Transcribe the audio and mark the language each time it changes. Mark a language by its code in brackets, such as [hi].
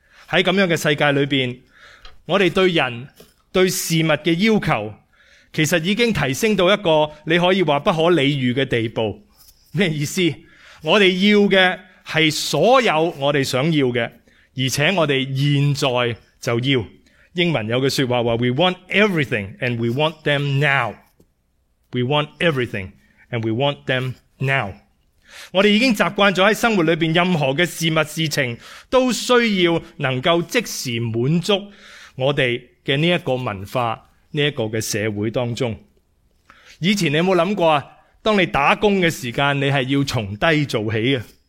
[zh] 在这样的世界里面，我们对人对事物的要求其实已经提升到一个你可以说不可理喻的地步。什么意思？我们要的是所有我们想要的，而且我们现在就要。英文有句说话说 [en] We want everything and we want them now. We want everything and we want them now. [zh] 我们已经习惯了在生活里面任何的事物事情都需要能够即时满足我们的这个文化，这个的社会当中。以前你有没有想过，当你打工的时间你是要从低做起的。